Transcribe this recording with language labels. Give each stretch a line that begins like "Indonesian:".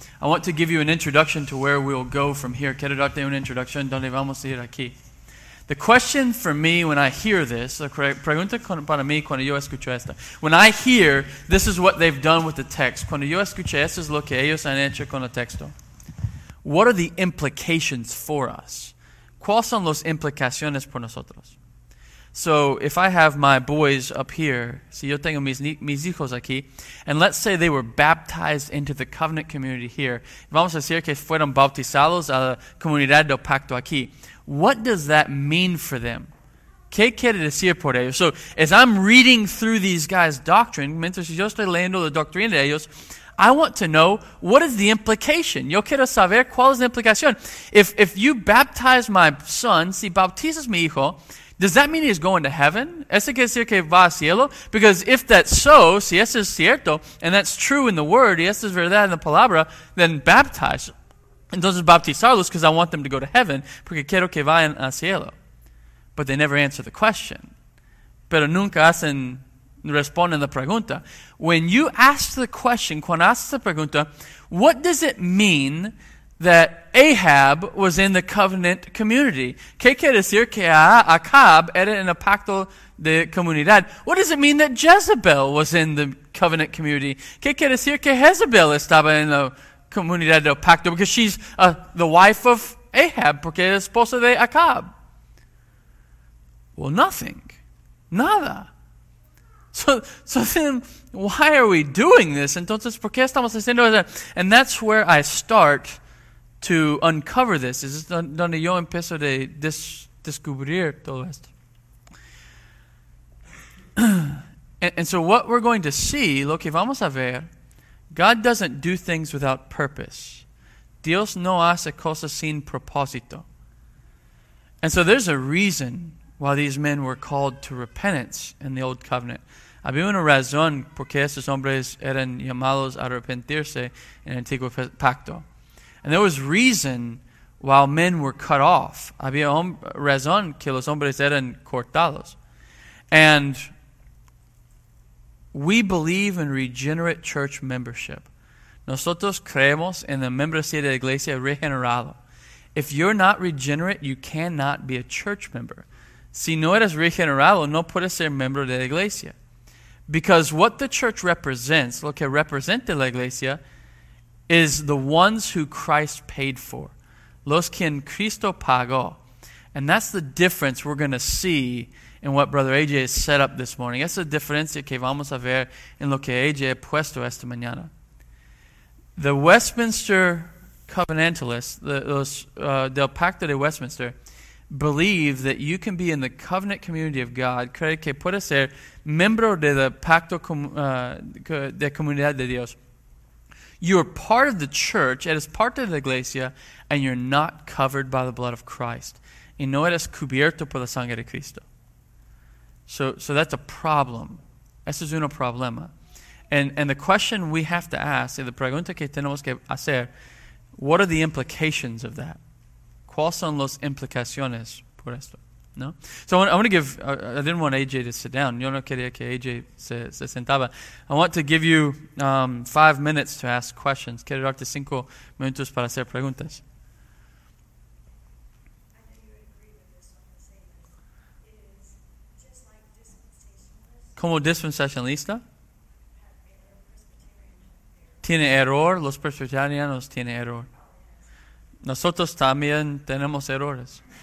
English: I want to give you an introduction to where we'll go from here.
Spanish: Quiero darte una introducción donde vamos a ir aquí.
English: The question for me when I hear this,
Spanish: pregunta para mí cuando yo escucho esto.
English: When I hear, this is what they've done with the text.
Spanish: Cuando yo escuché, esto es lo que ellos han hecho con el texto.
English: What are the implications for us?
Spanish: ¿Cuáles son las implicaciones por nosotros?
English: So if I have my boys up here,
Spanish: si yo tengo mis hijos aquí,
English: and let's say they were baptized into the covenant community here,
Spanish: vamos a decir que fueron bautizados a la comunidad del pacto aquí.
English: What does that mean for them?
Spanish: ¿Qué quiere decir por ellos?
English: So as I'm reading through these guys' doctrine,
Spanish: mientras yo estoy leyendo la doctrina de ellos,
English: I want to know, what is the implication?
Spanish: Yo quiero saber cuál es la implicación.
English: If you baptize my son,
Spanish: si bautizas mi hijo,
English: does that mean he's going to heaven?
Spanish: ¿Eso quiere decir que va a cielo?
English: Because if that's so,
Spanish: si eso es cierto,
English: and that's true in the word,
Spanish: y eso es verdad en la palabra,
English: then baptize.
Spanish: Entonces bautizarlos,
English: because I want them to go to heaven,
Spanish: porque quiero que vayan a cielo.
English: But they never answer the question.
Spanish: Pero nunca hacen, responden la pregunta.
English: When you ask the question,
Spanish: cuando haces la pregunta,
English: what does it mean that Ahab was in the covenant community?
Spanish: ¿Qué quiere decir que Acab era en el pacto de comunidad?
English: What does it mean that Jezebel was in the covenant community?
Spanish: ¿Qué quiere decir que Jezebel estaba en la comunidad del pacto?
English: Because she's the wife of Ahab,
Spanish: porque es esposa de Acab.
English: Well, nothing.
Spanish: Nada.
English: So then, why are we doing this?
Spanish: Entonces, ¿por qué estamos haciendo eso?
English: And that's where I start to uncover this.
Spanish: Es donde yo empiezo de descubrir todo esto.
English: And so what we're going to see,
Spanish: lo que vamos a ver,
English: God doesn't do things without purpose.
Spanish: Dios no hace cosas sin propósito.
English: And so there's a reason why these men were called to repentance in the Old Covenant.
Spanish: Había una razón por qué estos hombres eran llamados a arrepentirse en el Antiguo Pacto.
English: And there was reason why men were cut off.
Spanish: Había razón que los hombres eran cortados.
English: And we believe in regenerate church membership.
Spanish: Nosotros creemos en la membresía de la iglesia regenerada.
English: If you're not regenerate, you cannot be a church member.
Spanish: Si no eres regenerado, no puedes ser miembro de la iglesia.
English: Because what the church represents,
Spanish: lo que representa la iglesia,
English: is the ones who Christ paid for.
Spanish: Los quien Cristo pagó.
English: And that's the difference we're going to see in what Brother AJ has set up this morning.
Spanish: Esa es la diferencia que vamos a ver en lo que AJ ha puesto esta mañana.
English: The Westminster Covenantalists,
Spanish: del Pacto de Westminster,
English: believe that you can be in the covenant community of God,
Spanish: cree que puede ser miembro de la pacto de comunidad de Dios.
English: You're part of the church,
Spanish: eres parte de la iglesia,
English: and you're not covered by the blood of Christ.
Spanish: Y no eres cubierto por la sangre de Cristo.
English: So that's a problem.
Spanish: Eso es un problema.
English: And the question we have to ask,
Spanish: y la pregunta que tenemos que hacer,
English: what are the implications of that?
Spanish: ¿Cuáles son las implicaciones por esto? ¿No?
English: So I want to give, I didn't want AJ to sit down.
Spanish: Yo no quería que AJ se sentaba.
English: I want to give you 5 minutes to ask questions.
Spanish: Quiero darte 5 minutos para hacer preguntas. ¿Cómo dispensacionalista? ¿Tiene error? Los presbiterianos tienen error. Nosotros también tenemos errores.